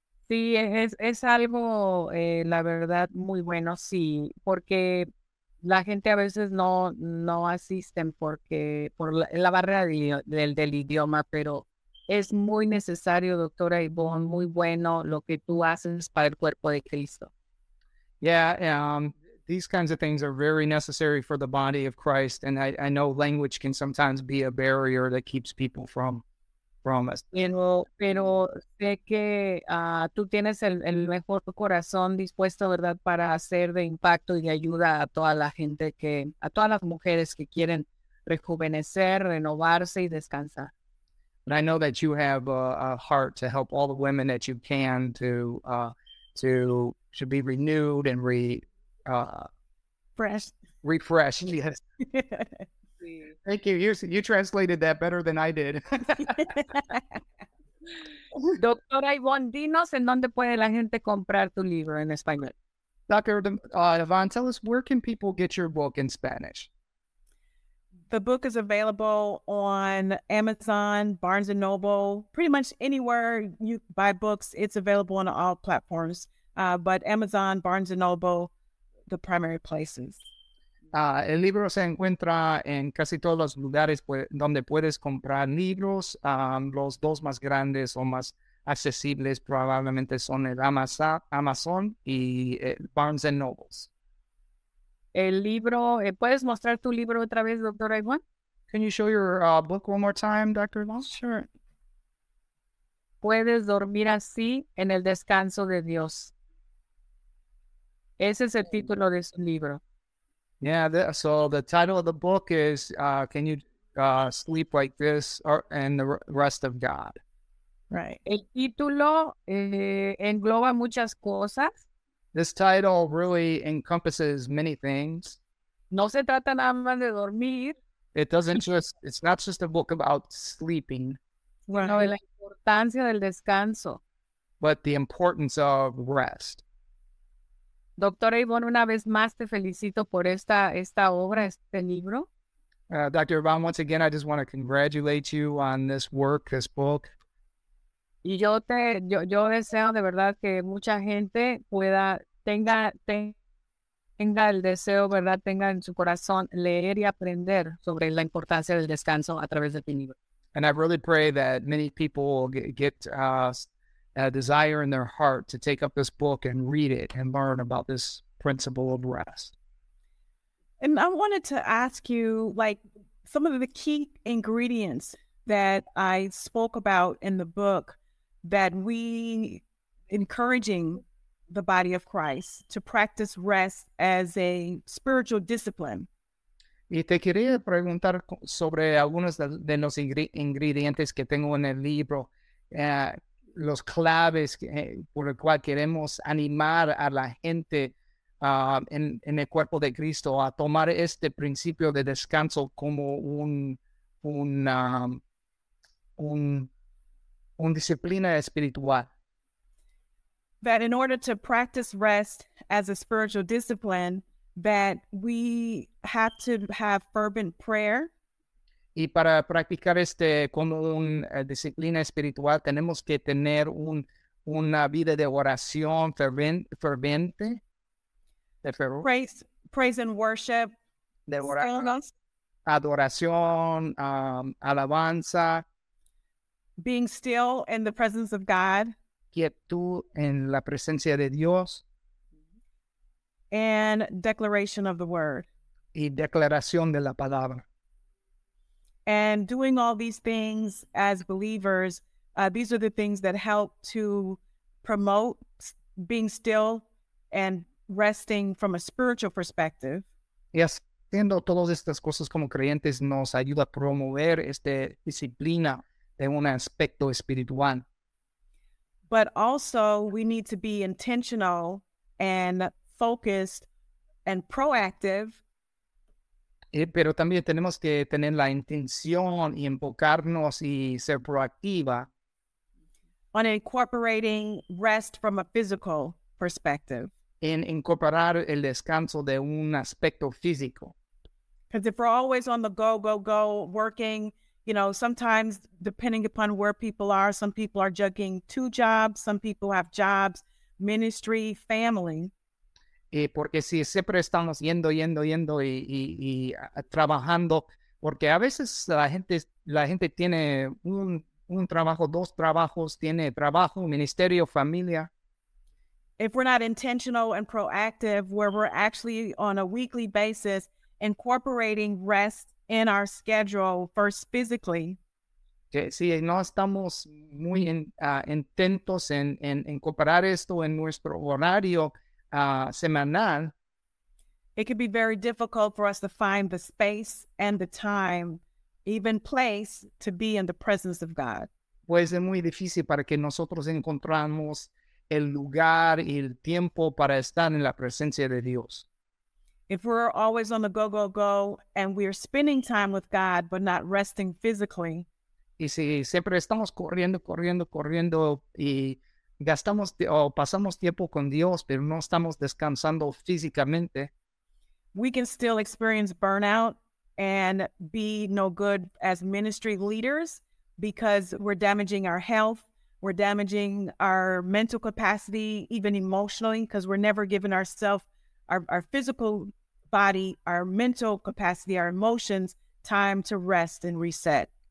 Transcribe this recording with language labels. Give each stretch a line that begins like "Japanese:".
Spanish: Sí, es algo, la verdad, muy bueno, sí, porque la gente a veces no asisten por la barrera del idioma, pero es muy necesario, doctora Yvonne, muy bueno lo que tú haces para el cuerpo de Cristo.
English: Yeah, these kinds of things are very necessary for the body of Christ, and I know language can sometimes be a barrier that keeps people from us.
Spanish: Pero sé que tú tienes el mejor corazón dispuesto, ¿verdad?, para hacer de impacto y de ayuda a toda la gente a todas las mujeres que quieren rejuvenecer, renovarse y descansar.
English: And I know that you have a heart to help all the women that you can to be renewed and refreshed. Yes. Yeah. Thank you. You translated that better than I did.
Spanish: Doctora Yvonne, dinos en dónde puede la gente comprar tu libro en español.
English: Dr. Yvonne, tell us, where can people get your book in Spanish? The book is available on Amazon, Barnes & Noble, pretty much anywhere you buy books. It's available on all platforms, but Amazon, Barnes & Noble, the primary places.
Spanish: El libro se encuentra en casi todos los lugares donde puedes comprar libros. Los dos más grandes o más accesibles probablemente son el Amazon y Barnes & Noble. El libro, ¿puedes mostrar tu libro otra vez, doctora Yvonne?
English: Can you show your book one more time, Dr. Yvonne? Sure.
Spanish: Puedes dormir así en el descanso de Dios. Ese es el título de su libro.
English: So the title of the book is Can You Sleep Like This and the Rest of God? Right.
Spanish: El título engloba muchas cosas.
English: This title really encompasses many things.
Spanish: No se trata nada más de dormir.
English: It's not just a book about sleeping. Right.
Spanish: No, la importancia del descanso.
English: But the importance of rest.
Spanish: Doctora Yvonne, una vez más te felicito por esta obra, este libro.
English: Dr. Yvonne, once again, I just want to congratulate you on this work, this book.
Spanish: Y yo deseo de verdad que mucha gente tenga el deseo, ¿verdad?, tenga en su corazón leer y aprender sobre la importancia del descanso a través de tu libro.
English: And I really pray that many people will get a desire in their heart to take up this book and read it and learn about this principle of rest. And I wanted to ask you, like, some of the key ingredients that I spoke about in the book that we encouraging the body of Christ to practice rest as a spiritual discipline.
Spanish: Y te quería preguntar sobre algunos de los ingredientes que tengo en el libro, los claves por el cual queremos animar a la gente en el cuerpo de Cristo a tomar este principio de descanso como un disciplina espiritual.
English: That in order to practice rest as a spiritual discipline, that we have to have fervent prayer.
Spanish: Y para practicar este como una disciplina espiritual, tenemos que tener una vida de oración ferviente.
English: Praise and worship.
Spanish: De adoración, alabanza.
English: Being still in the presence of God.
Spanish: Quietud en la presencia de Dios.
English: And declaration of the word.
Spanish: Y declaración de la palabra.
English: And doing all these things as believers, these are the things that help to promote being still and resting from a spiritual perspective.
Spanish: Y haciendo todas estas cosas como creyentes nos ayuda a promover esta disciplina de un aspecto espiritual.
English: But also we need to be intentional and focused and proactive.
Spanish: Pero también tenemos que tener la intención y enfocarnos y ser proactiva.
English: On incorporating rest from a physical perspective.
Spanish: En incorporar el descanso de un aspecto físico.
English: Because if we're always on the go, go, go, working, you know, sometimes depending upon where people are, some people are juggling two jobs, some people have jobs, ministry, family.
Spanish: Y porque si siempre estamos yendo y trabajando, porque a veces la gente tiene un trabajo, dos trabajos, tiene trabajo, ministerio, familia.
English: If we're not intentional and proactive, where we're actually on a weekly basis incorporating rest in our schedule, first physically. Okay.
Spanish: Si no estamos muy intentos en incorporar esto en nuestro horario semanal,
English: it can be very difficult for us to find the space and the time, even place, to be in the presence of God.
Spanish: Pues es muy difícil para que nosotros encontramos el lugar y el tiempo para estar en la presencia de Dios.
English: If we're always on the go, go, go, and we're spending time with God, but not resting physically.
Spanish: Y si siempre estamos corriendo, y gastamos o pasamos tiempo con Dios, pero no estamos descansando físicamente.
English: We can still experience burnout and be no good as ministry leaders because we're damaging our health. We're damaging our mental capacity, even emotionally, because we're never giving ourselves, our physical body, our mental capacity, our emotions, time to rest and reset.